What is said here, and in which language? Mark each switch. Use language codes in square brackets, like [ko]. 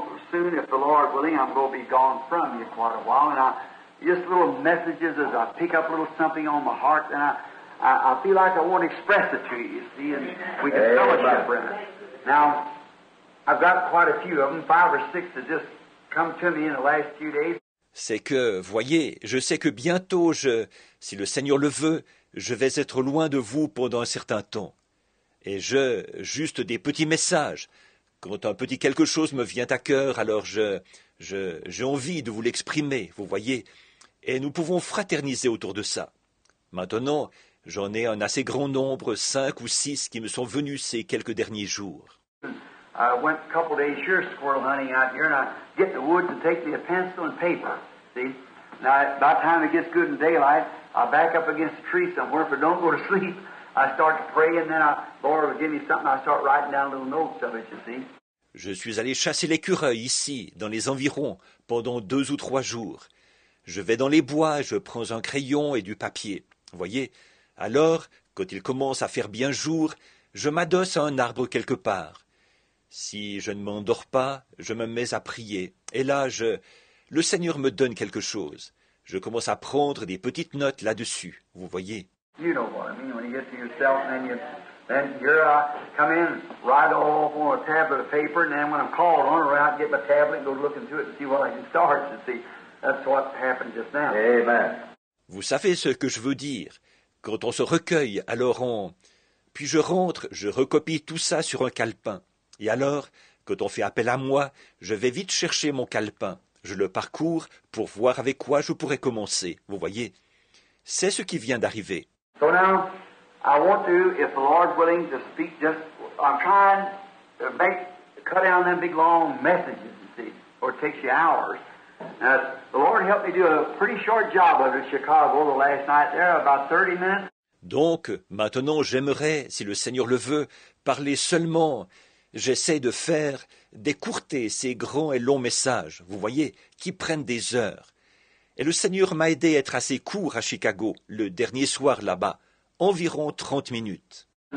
[en] Soon, if the Lord willing, I'm going to be gone from you quite a while. And just little messages as I pick up a little something on my heart, and I feel like I want to express it to you, you see, and we can fellowship around it. Now, I've got quite a few of them, five or six that just come to me in the last few days. [fr] C'est que, voyez, je sais que bientôt, si le Seigneur le veut, je vais être loin de vous pendant un certain temps. Et juste des petits messages. Quand un petit quelque chose me vient à cœur, alors j'ai envie de vous l'exprimer, vous voyez, et nous pouvons fraterniser autour de ça. Maintenant, j'en ai un assez grand nombre, 5 ou 6, qui me sont venus ces quelques derniers jours. [en] I went a couple days here squirrel hunting out here, and I get the woods and take me a pencil and paper, see? Now, by the time it gets good in daylight, I back up against a tree somewhere, but don't go to sleep. I start to pray, and then Lord will give me something. I start writing down little notes of it, you see. [fr] Je suis allé chasser l'écureuil ici, dans les environs, pendant 2 ou 3 jours. Je vais dans les bois, je prends un crayon et du papier. Voyez, alors, quand il commence à faire bien jour, je m'adosse à un arbre quelque part. Si je ne m'endors pas, je me mets à prier. Et là, le Seigneur me donne quelque chose. Je commence à prendre des petites notes là-dessus, vous voyez. [en] You know what I mean, when you get to yourself, and then you come in, write all on a tablet of paper, and then when I'm called on, I get my tablet and go look into it and see what I can start, you see. That's what happened just now. Amen. [fr] Vous savez ce que je veux dire. Quand on se recueille, alors on... Puis je rentre, je recopie tout ça sur un calepin. Et alors, quand on fait appel à moi, je vais vite chercher mon calepin. Je le parcours pour voir avec quoi je pourrais commencer, vous voyez. C'est ce qui vient d'arriver. [en] So now, I want to, if the Lord's willing to speak, just, I'm trying to cut down them big long messages, you see, or it takes you hours. Now, the Lord helped me do a pretty short job of it in Chicago the last night there, about 30 minutes. [fr] Donc, maintenant, j'aimerais, si le Seigneur le veut, parler seulement. J'essaie de faire d'écourter ces grands et longs messages, vous voyez, qui prennent des heures. Et le Seigneur m'a aidé à être assez court à Chicago, le dernier soir là-bas, environ 30 minutes.